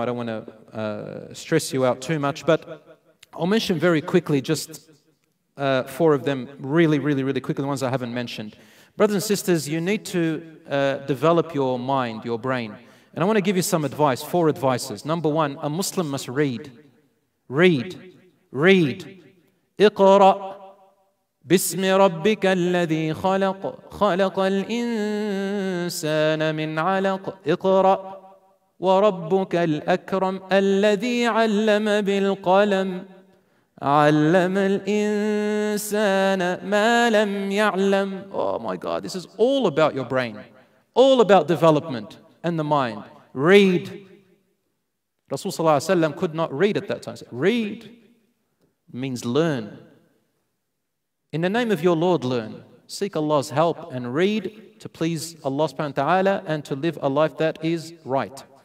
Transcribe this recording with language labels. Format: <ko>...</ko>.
<en>I don't want to stress you out too much. But I'll mention very quickly just four of them, really, really, really quickly, the ones I haven't mentioned. Brothers and sisters, you need to develop your mind, your brain. And I want to give you some advice, four advices. Number one, a Muslim must read. Read. Read. Iqra.</en> <ar>بسم ربك الذي خلق خلق الإنسان من علق اقرأ وربك الأكرم الذي علم بالقلم علم الإنسان ما لم يعلم.</ar> <en>Oh my God, this is all about your brain, all about development and the mind. Read. Rasul Sallallahu Alaihi Wasallam could not read at that time. Read means learn. In the name of your Lord, learn. Seek Allah's help and read to please Allah subhanahu wa ta'ala and to live a life that is right.</en>